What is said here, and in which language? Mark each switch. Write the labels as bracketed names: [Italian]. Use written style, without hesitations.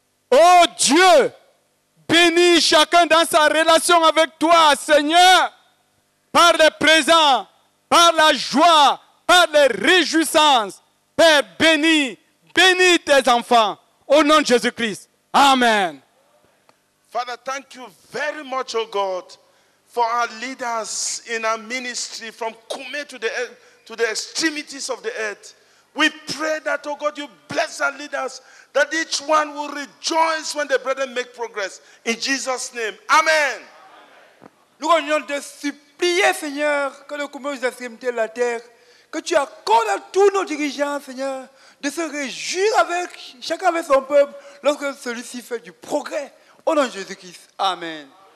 [French] Oh Dieu, bénis chacun dans sa relation avec toi, Seigneur, par le présent, par la joie, par les réjouissances. Père, bénis tes enfants, au nom de Jésus-Christ. Amen. [English] Father, thank you very much, oh God, for our leaders in our ministry from Kume to the extremities of the earth. We pray that, oh God, you bless our leaders, that each one will rejoice when the brethren make progress. In Jesus' name, amen. [French] Nous venons de supplier, Seigneur, que le Kume aux extrémités de la terre, que tu accordes à tous nos dirigeants, Seigneur, de se réjouir avec chacun avec son peuple lorsque celui-ci fait du progrès. Au nom de Jésus-Christ. Amen.